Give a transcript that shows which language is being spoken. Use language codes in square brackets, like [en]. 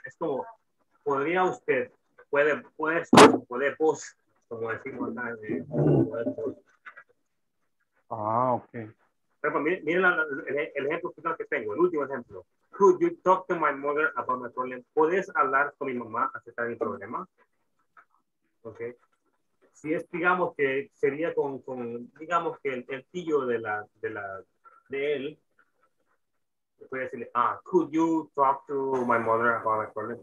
[es] Es como, podría usted, puede vos, como decimos acá. Ok. Pero miren el ejemplo final que tengo, el último ejemplo. [en] Could you talk to my mother about my problem? [es] ¿Puedes hablar con mi mamá acerca de mi problema? Ok. Si es, digamos, que sería con digamos, que el tío de él, puede decirle, [en] could you talk to my mother about my problem?